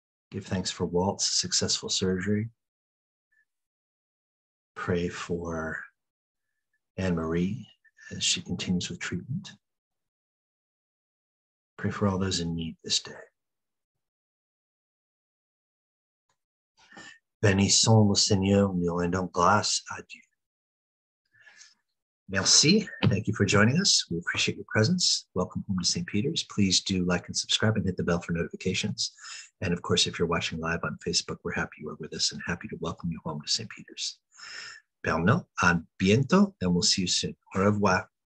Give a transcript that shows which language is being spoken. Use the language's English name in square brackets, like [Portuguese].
[English] Give thanks for Walt's successful surgery. Pray for Anne Marie as she continues with treatment. Pray for all those in need this day. [French] Bénissons le Seigneur, nous rendons grâce à Dieu. Merci. [English] Thank you for joining us. We appreciate your presence. Welcome home to St. Peter's. Please do like and subscribe and hit the bell for notifications. And of course, if you're watching live on Facebook, we're happy you are with us and happy to welcome you home to St. Peter's. [French] Père nos, à bientôt, [English] and we'll see you soon. [French] Au revoir.